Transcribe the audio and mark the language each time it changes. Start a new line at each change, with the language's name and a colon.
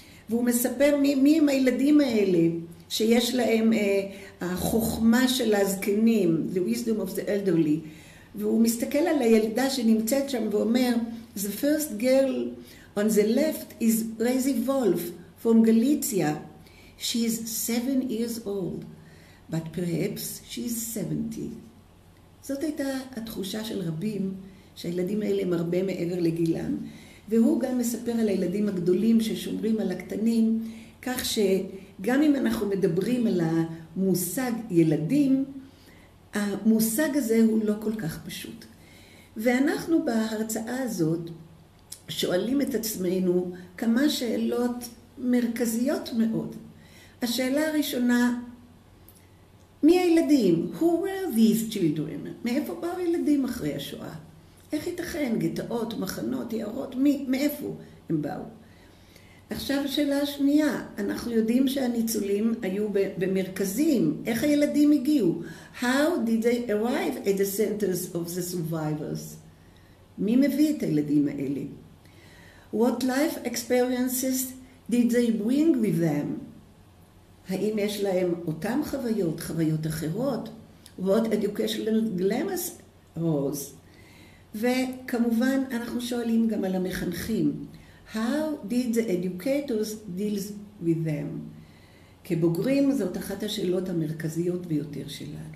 Hebrew: והוא מספר מי הם הילדים האלה שיש להם החוכמה של הזקנים,
English: the wisdom of the elderly.
Hebrew: והוא מסתכל על הילדה שנמצאת שם ואומר,
English: the first girl on the left is Razi Wolf from Galicia. She is 7 years old, but perhaps she is 70.
Hebrew: זאת הייתה התחושה של רבים, שהילדים האלה הם הרבה מעבר לגילם. והוא גם מספר על הילדים הגדולים ששומרים על הקטנים, כך שגם אם אנחנו מדברים על המושג ילדים, המושג הזה הוא לא כל כך פשוט. ואנחנו בהרצאה הזאת שואלים את עצמנו כמה שאלות מרכזיות מאוד. השאלה הראשונה, מי הילדים?
English: Who were these children?
Hebrew: מאיפה באו ילדים אחרי השואה? איך ייתכן? גטאות, מחנות, יערות, מאיפה הם באו? עכשיו השאלה השנייה, אנחנו יודעים שהניצולים היו במרכזים, איך הילדים הגיעו?
English: How did they arrive at the centers of the survivors?
Hebrew: מי מביא את הילדים האלה?
English: What life experiences did they bring with them?
Hebrew: האם יש להם אותם חוויות, חוויות אחרות?
English: What educational glamour was?
Hebrew: וכמובן אנחנו שואלים גם על המחנכים.
English: How did the educators deal with them?
Hebrew: כבוגרים זאת אחת השאלות המרכזיות ביותר שלנו.